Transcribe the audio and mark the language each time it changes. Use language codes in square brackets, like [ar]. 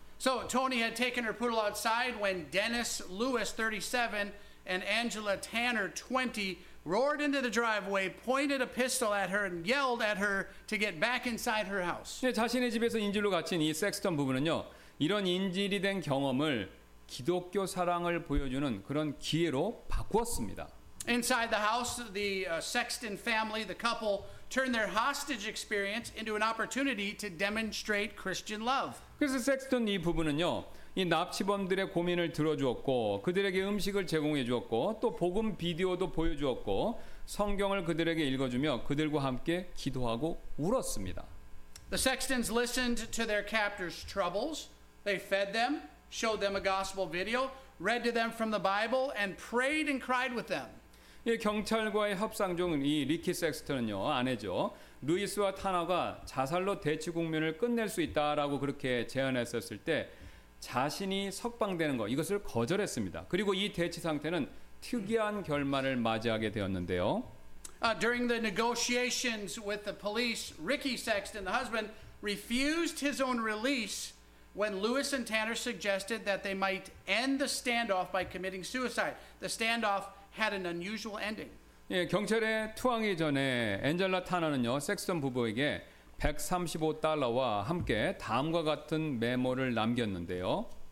[en] So Tony had taken her poodle outside when Dennis Lewis, 37, and Angela Tanner, 20, roared into the driveway, pointed a pistol at her, and yelled at her to get back inside her house. [ko] 네, 자신의 집에서 인질로 갇힌 이 섹스턴 부부는요, 이런 인질이 된 경험을 기독교 사랑을 보여주는 그런 기회로 바꾸었습니다. [en] Inside the house, the Sexton family, the couple, turned their hostage experience into an opportunity to demonstrate Christian love. [ko] 그래서 섹스턴 이 부부는요, 이 납치범들의 고민을 들어주었고, 그들에게 음식을 제공해 주었고, 또 복음 비디오도 보여주었고, 성경을 그들에게 읽어주며 그들과 함께 기도하고 울었습니다. [en] The Sextons listened to their captors' troubles. They fed them, showed them a gospel video, read to them from the Bible, and prayed and cried with them. [ko] 이 경찰과의 협상 중 이 리키 섹스턴은요 아내죠 루이스와 타나가 자살로 대치 국면을 끝낼 수 있다라고 그렇게 제안했었을 때 자신이 석방되는 거 이것을 거절했습니다. 그리고 이 대치 상태는 특이한 결말을 맞이하게 되었는데요. [en] During the negotiations with the police, Ricky Sexton, the husband, refused his own release when Lewis and Tanner suggested that they might end the standoff by committing suicide. The standoff had an unusual ending. [ko] 예, 경찰에 투항이 전에 앤젤라 타나는요, 섹스턴 부부에게 $135와 함께 다음과 같은 메모를 남겼는데요.